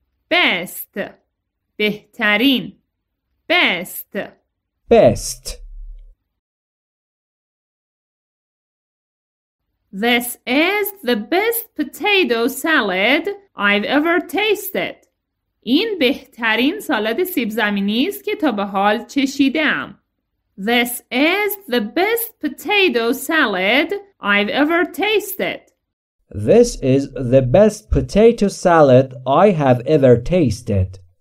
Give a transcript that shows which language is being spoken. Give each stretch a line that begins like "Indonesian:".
English: Best.
Persian: بهترین.
English: Best. Best. This is the best potato salad I've ever tasted.
Persian: این بهترین سالاد سیب زمینی است که تا به حال چشیدم.
English: This is the best potato salad I've ever tasted. This is the best potato salad I have ever tasted.